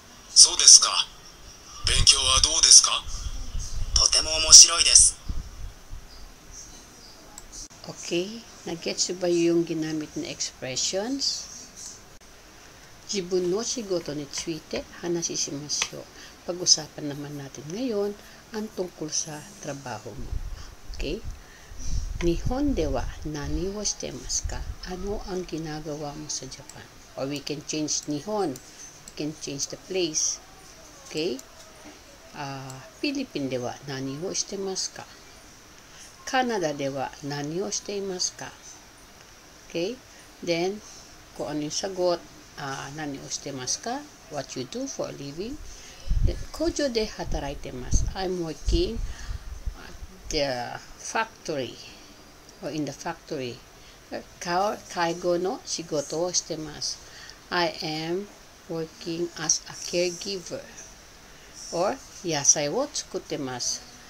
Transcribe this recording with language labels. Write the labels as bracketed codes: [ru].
[ja] そうですか。勉強はどうですか? とても面白いです。 [tl] Okay, nag-gets ba yung ginamit na expressions? [ja] 自分の仕事について話しましょう。 [tl] Pag-usapan naman natin ngayon ang tungkol sa trabaho mo. [en] Okay? [ja] 日本では何をしてますか? [tl] Ano ang ginagawa mo sa Japan? [en] Or we can change [tl] 日本. [en] We can change the place. Okay? [ja] フィリピンでは何をしてますか? カナダでは何をしていますか? [en] Okay? Then, [tl] kung ano yung sagot, [ja] 何をしてますか? [en] What you do for a living? Then, [ja] 工場で働いてます。 [en] I'm working at the factory or in the factory. [ja] 介護の仕事をしてます。 [en] I am working as a caregiver. [ja] Or, 野菜を作ってます。